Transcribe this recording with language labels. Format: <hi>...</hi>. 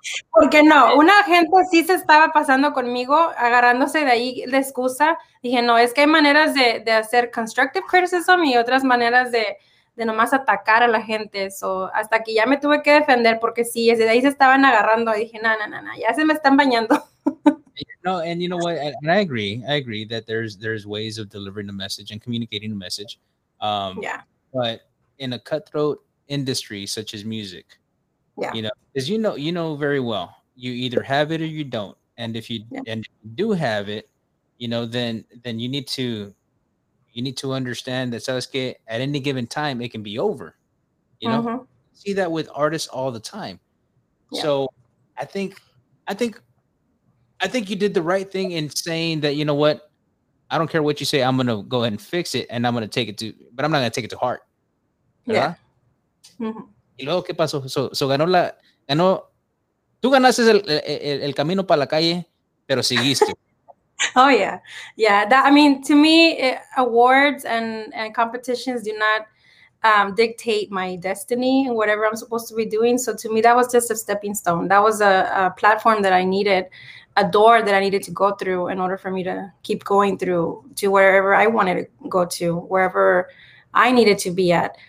<es>Porque no, una gente sí se estaba pasando conmigo, agarrándose de ahí de excusa. Dije, no, es que hay maneras de hacer constructive criticism y otras maneras de nomás atacar a la gente. Eso, hasta que ya me tuve que defender, porque sí, desde ahí se estaban agarrando. Y dije, no, ya se me están bañando.</es> <en>No, and you know what? And I agree that there's ways of delivering the message and communicating the message. But in a cutthroat industry such as music, you know very well, you either have it or you don't. And if you and if you do have it, you know, then you need to understand that sabes que at any given time it can be over. You know, mm-hmm. See that with artists all the time. Yeah. So I think you did the right thing in saying that, you know what, I don't care what you say, I'm going to go ahead and fix it, and I'm going to take it to, but I'm not going to take it to heart. Yeah. Mm-hmm.</en> <es>¿Y luego qué pasó? So ganó, tú ganaste el camino para la calle, pero seguiste.</es> <en>Oh, yeah. Yeah, that, I mean, to me, awards and competitions do not dictate my destiny and whatever I'm supposed to be doing. So to me, that was just a stepping stone. That was a platform that I needed, a door that I needed to go through in order for me to keep going through to wherever I wanted to go to, wherever I needed to be at.</en>